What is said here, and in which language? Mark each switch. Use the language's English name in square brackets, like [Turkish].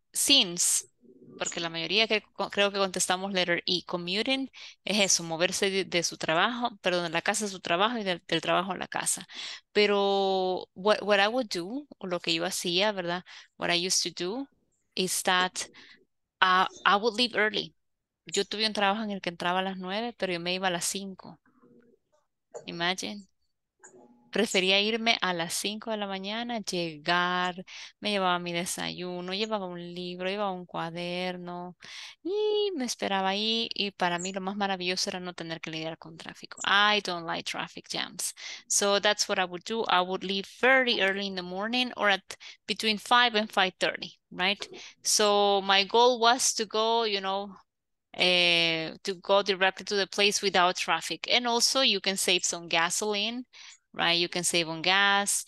[English] Since, [Spanish] porque la mayoría que creo que contestamos [English] letter E, [Spanish] commuting, es eso, moverse de su trabajo, perdón, de la casa a su trabajo y del trabajo a la casa. Pero [English] what I would do, [Spanish] o lo que yo hacía, ¿verdad? [English] What I used to do is that I would leave early. [Spanish] Yo tuve un trabajo en el que entraba a las 9, pero yo me iba a las 5. Imagine. Prefería irme a las 5 de la mañana, llegar, me llevaba mi desayuno, llevaba un libro, llevaba un cuaderno, y me esperaba ahí, y para mí lo más maravilloso era no tener que lidiar con tráfico. [English] I don't like traffic jams. So that's what I would do. I would leave very early in the morning, or at between 5 and 5:30, right? So my goal was to go, you know, to go directly to the place without traffic. And also you can save some gasoline, right? You can save on gas.